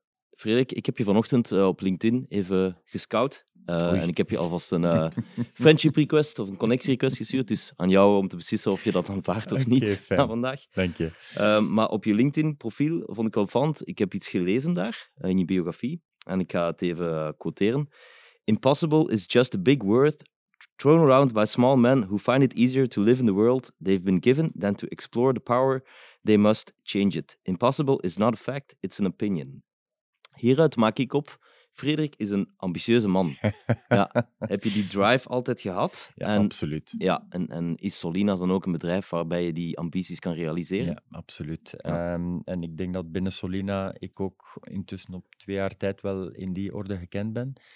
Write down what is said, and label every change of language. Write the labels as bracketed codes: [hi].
[nl] Frederik, ik heb je vanochtend op LinkedIn even gescout. En ik heb je alvast een friendship request of een connectie request gestuurd. Dus aan jou om te beslissen of je dat aanvaardt of niet. Okay, van vandaag. Dank je. Maar op je LinkedIn-profiel vond ik wel opvallend. Ik heb iets gelezen daar, in je biografie. En ik ga het even quoteren. [en] Impossible is just a big word thrown around by small men who find it easier to live in the world they've been given than to explore the power they must change it. Impossible is not a fact, it's an opinion. [nl] Hieruit maak ik op, Frederik is een ambitieuze man. Ja, heb je die drive altijd gehad? Ja, en, absoluut. Ja, en is Solina dan ook een bedrijf waarbij je die ambities kan realiseren? Ja, absoluut. Ja. En ik denk dat binnen Solina ik ook intussen op 2 jaar tijd wel in die orde gekend ben.